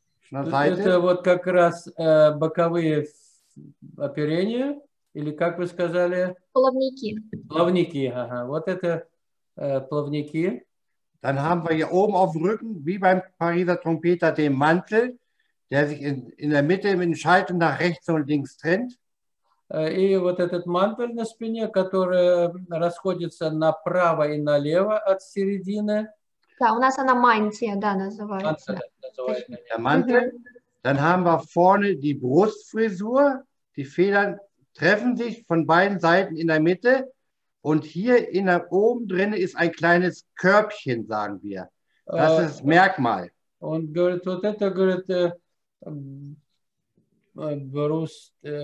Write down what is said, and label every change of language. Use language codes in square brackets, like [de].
[ru] Это вот как раз боковые оперения или как вы сказали? Плавники. Плавники, ага. Вот это плавники. [de] Dann haben wir hier oben auf dem Rücken, wie beim Pariser Trompeter, den Mantel. Der sich in der Mitte im Schalter nach rechts und links trennt. [ru] И вот этот мантель на спине, который расходится направо и налево от середины. Да, у нас она мантия, да, называется. [de] Der Mantel. Dann haben wir vorne die Brustfrisur. Die Federn treffen sich von beiden Seiten in der Mitte. Und hier oben drin ist ein kleines Körbchen, sagen wir. Das ist das Merkmal. Und [ru] говорит, вот это, говорит, Брусь,